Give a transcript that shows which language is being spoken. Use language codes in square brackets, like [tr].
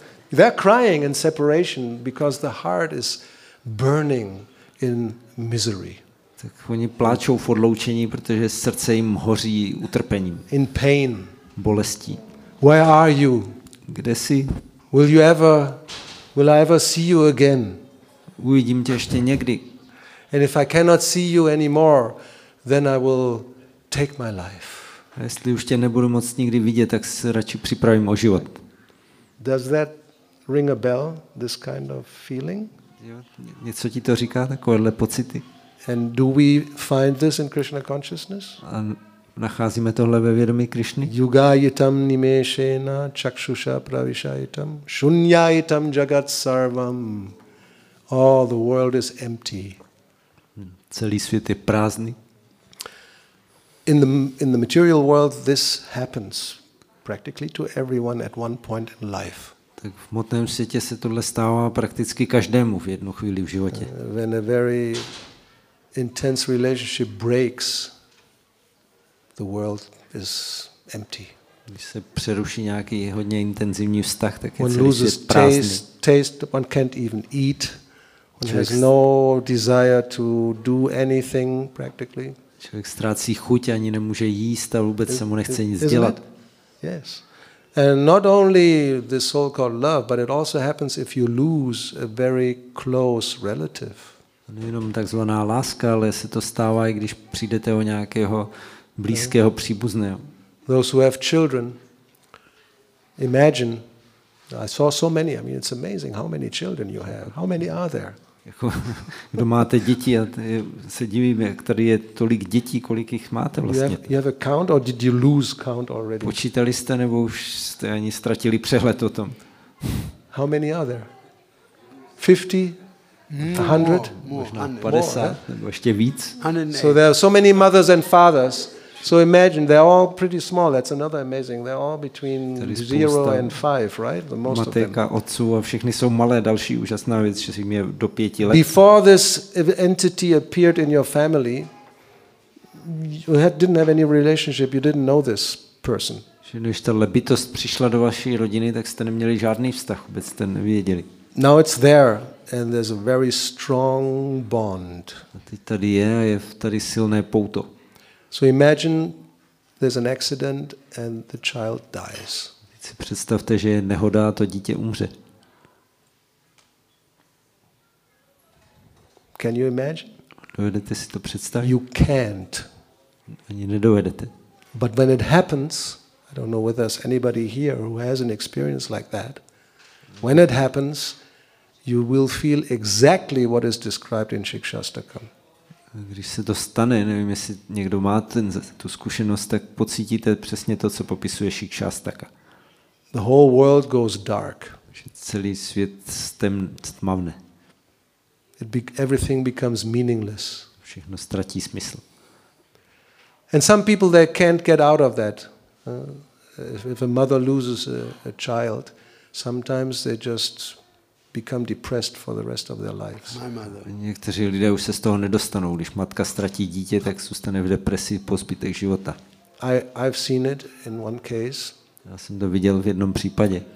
[en] they're crying in separation because the heart is burning in misery. [cs] Tak oni pláčou v odloučení, protože srdce jim hoří utrpením. [en] In pain. [cs] Bolestí. [en] Where are you? [cs] Kde jsi? [en] Will I ever see you again? [cs] Uvidím tě ještě někdy. [en] And if I cannot see you anymore, then I will take my life. [cs] A jestli už tě nebudu moc nikdy vidět, tak se radši připravím o život. [en] Does that ring a bell, this kind of feeling? [cs] Jo, něco ti to říká, takovéhle pocity? [en] And do we find this in Krishna consciousness? [cs] Nacházíme tohle ve vědomí Krišny. [sa] Yugayitam nimeshena chakshusha pravishayitam shunyayitam jagat sarvam. [en] All the world is empty. [cs] Celý svět je prázdný. [en] In the material world this happens practically to everyone at one point in life. [cs] Tak v hmotném světě se tohle stává prakticky každému v jednu chvíli v životě. [en] When a very intense relationship breaks, the world is empty. [cs] Když se přeruší nějaký hodně intenzivní vztah, tak je celý svět prázdný. [en] Taste, one can't even eat. One has no desire to do anything practically. [cs] Člověk ztrácí chuť, ani nemůže jíst a vůbec se mu nechce nic dělat. [en] Yes. And not only the so-called love, but it also happens if you lose a very close relative. [cs] Nejenom takzvaná láska, ale se to stává i když přijdete o nějakého blízkého příbuzného. [en] Those who have children, imagine, I saw so many, I mean it's amazing how many children you have, how many are there? [cs] Kdo máte děti, a se divím, jak tady je tolik dětí, kolik jich máte vlastně. [en] You have a count or did you lose count already? [cs] Počítali jste nebo už jste ani ztratili přehled o tom? [en] How many are there? 50? 100? [cs] Možná 50 nebo ještě víc. [en] So there are so many mothers and fathers. So imagine they're all pretty small. That's another amazing. They're all between 0 and 5, right? The most of them. [cs] Matka, otcu a všichni jsou malé. Další úžasná věc, že jim je do 5 let. [en] Before this entity appeared in your family, you didn't have any relationship. You didn't know this person. [cs] Když tahle bytost přišla do vaší rodiny, tak jste neměli žádný vztah, vůbec jste nevěděli. [en] Now it's there and there's a very strong bond. [cs] Tady je tady silné pouto. [en] So imagine there's an accident and the child dies. [cs] Si představte, že je nehoda a to dítě umře. [en] Can you imagine? [cs] Dovedete si to představit? [en] You can't. [cs] Ani nedovedete. [en] But when it happens, I don't know whether there's anybody here who has an experience like that. When it happens, you will feel exactly what is described in Shikshastakam. [cs] Když se to stane, nevím, jestli někdo má ten, tu zkušenost, tak pocítíte přesně to, co popisuje Shikshastaka. [en] The whole world goes dark. [cs] Celý svět stmavne. [en] Everything becomes meaningless. [cs] Všechno ztratí smysl. [en] And some people they can't get out of that. If a mother loses a child, sometimes they just become depressed for the rest of their lives. My mother. [cs] Někteří lidé už se z toho nedostanou, když matka ztratí dítě, tak zůstane v depresi po zbytek života. [en] I've seen it in one case. [cs] Já jsem to viděl v jednom případě.